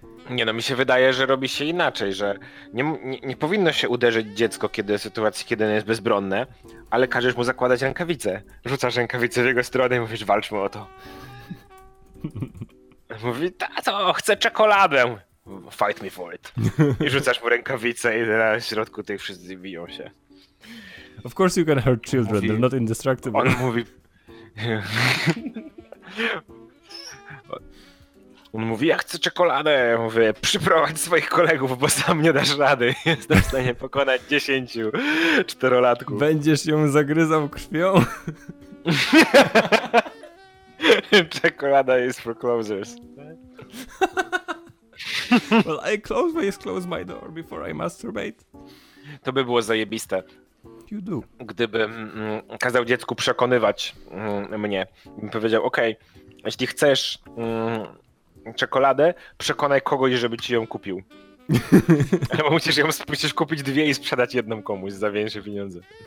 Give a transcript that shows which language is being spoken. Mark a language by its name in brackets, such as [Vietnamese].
[Polish] Nie no, mi się wydaje, że robi się inaczej, że nie powinno się uderzyć dziecko kiedy w sytuacji, kiedy ono jest bezbronne, ale każesz mu zakładać rękawice. Rzucasz rękawice w jego stronę i mówisz, walczmy o to. Mówi, tato, chcę czekoladę. [English] Fight me for it. [Polish] I rzucasz mu rękawice i na środku tych wszyscy biją się. [English] Of course you can hurt children, they're not indestructible. [Polish] On mówi... On mówi, ja chcę czekoladę, ja mówię, przyprowadź swoich kolegów, bo sam nie dasz rady, jestem w stanie pokonać 10 czterolatków. Będziesz ją zagryzał krwią? [English] Czekolada is for closers. Well, I close my door before I masturbate. [Polish] To by było zajebiste. [English] You do. [Polish] Gdyby kazał dziecku przekonywać mnie, bym powiedział, okej, okay, jeśli chcesz... czekoladę, przekonaj kogoś, żeby ci ją kupił. Albo musisz kupić dwie i sprzedać jedną komuś za większe pieniądze.